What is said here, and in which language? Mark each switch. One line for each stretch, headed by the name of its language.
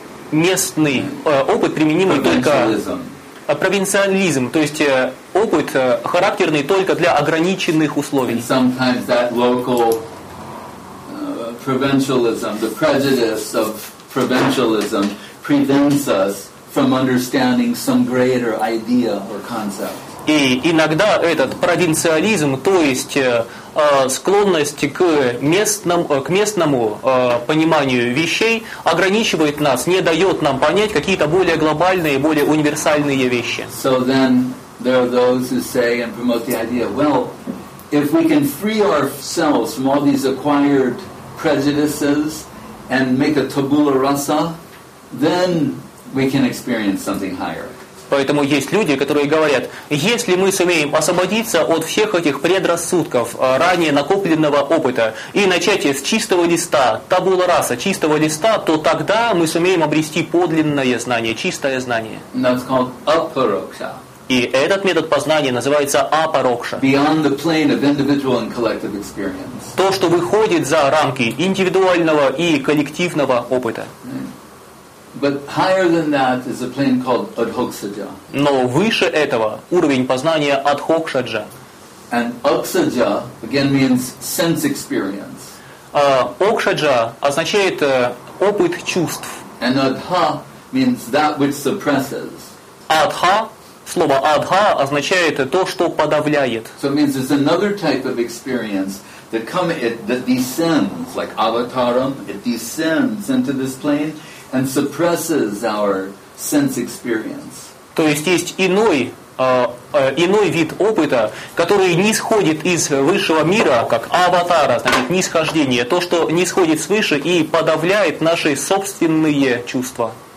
Russian: Местный опыт, применимый только... Провинциализм. То есть опыт, характерный только для ограниченных условий.
English: И sometimes that local provincialism, the prejudice of provincialism, prevents us from understanding some greater idea or concept.
Russian: И иногда этот провинциализм, то есть склонность к местному пониманию вещей, ограничивает нас, не дает нам понять какие-то более глобальные, более универсальные вещи.
English: So then there are those who say and promote the idea, well, if we can free ourselves from all these acquired prejudices and make a tabula rasa, then we can experience something higher.
Russian: Поэтому есть люди, которые говорят, если мы сумеем освободиться от всех этих предрассудков, ранее накопленного опыта, и начать с чистого листа, табула раса, чистого листа, то тогда мы сумеем обрести подлинное знание, чистое знание.
English: And that's called aparoksha.
Russian: И этот метод познания называется апарокша.
English: Beyond the plane of individual and collective experience.
Russian: То, что выходит за рамки индивидуального и коллективного опыта.
English: But higher than that is a plane called Adhoksaja.
Russian: Но выше этого уровень познания Адхокшаджа.
English: And Оксаджа again means sense experience.
Russian: Окшаджа означает опыт чувств.
English: And Адха means that which suppresses.
Russian: Адха, слово Адха означает то, что подавляет.
English: So it means it's another type of experience that descends, like Avataram, it descends into this plane. And suppresses our sense experience.
Russian: То есть есть иной вид опыта, который нисходит из высшего мира, как аватара, значит, нисхождение, то, что нисходит свыше и подавляет наши собственные чувства.